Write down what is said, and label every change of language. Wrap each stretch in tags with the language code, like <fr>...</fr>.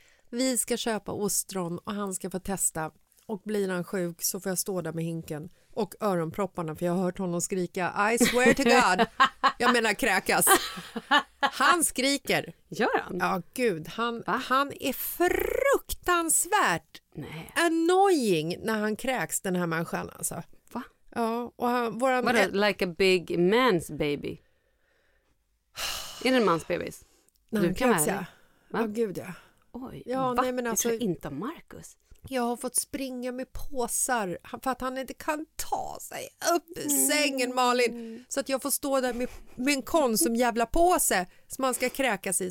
<sv>Vi ska köpa ostron och han ska få testa. Och blir han sjuk så får jag stå där med hinken och öronpropparna, för jag har hört honom skrika</sv> <en>I swear to God.</en> <sv>Jag menar kräkas. Han skriker. Gör han? Ja, gud. Han är fruktansvärt annoying när han kräks, den här människan. Alltså. Va? Ja, och han, våran...</sv> <en>What like a big man's baby?</en> <sv>Är det en mans bebis? När du kan kräks, ja. Va? Ja, gud, ja. Oj, ja, nej, men alltså, jag tror inte Marcus. Jag har fått springa med påsar för att han inte kan ta sig upp i sängen, Malin. Så att jag får stå där med en Konsum jävla påse som man ska kräkas i.</sv>